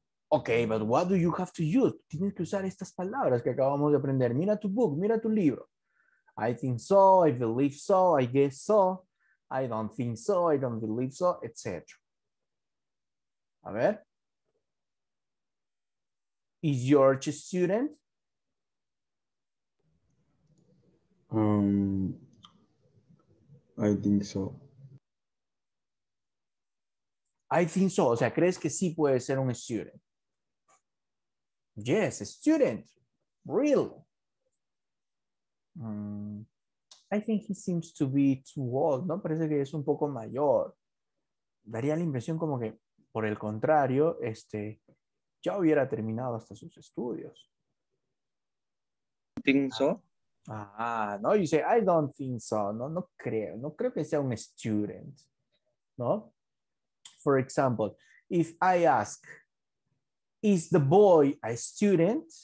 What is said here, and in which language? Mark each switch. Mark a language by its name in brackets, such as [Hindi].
[English] Okay, but what do you have to use? [Spanish] Tienes que usar estas palabras que acabamos de aprender. Mira tu book, mira tu libro. [English] I think so, I believe so, I guess so, I don't think so, I don't believe so, etc. [Spanish] A ver. [English] Is George a student? I think so. I think so. [Spanish] O sea, ¿crees que sí puede ser un student? [English] Yes, a student. [Spanish] Real. [English] I think he seems to be too old. [Spanish] No, parece que es un poco mayor. Daría la impresión como que, por el contrario, ya hubiera terminado hasta sus estudios. [English] Think so? Ah, no, you say, I don't think so. [Spanish] No, no creo. No creo que sea un student. [English] No? For example, if I ask, is the boy a student?